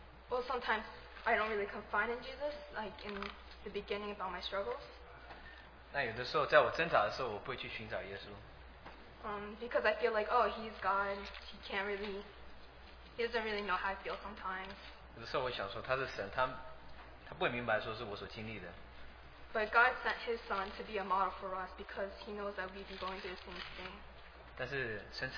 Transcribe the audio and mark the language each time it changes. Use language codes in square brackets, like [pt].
[en] Well, sometimes I don't really confide in Jesus, like in the beginning about my struggles. [zh] 那有的时候，在我挣扎的时候，我不会去寻找耶稣。 [en] Because I feel like, oh, He's God. He doesn't really know how I feel sometimes. [zh] 有的时候我想说他是神，他不会明白说是我所经历的。 [en] But God sent His Son to be a model for us because He knows that we'd be going through the same thing.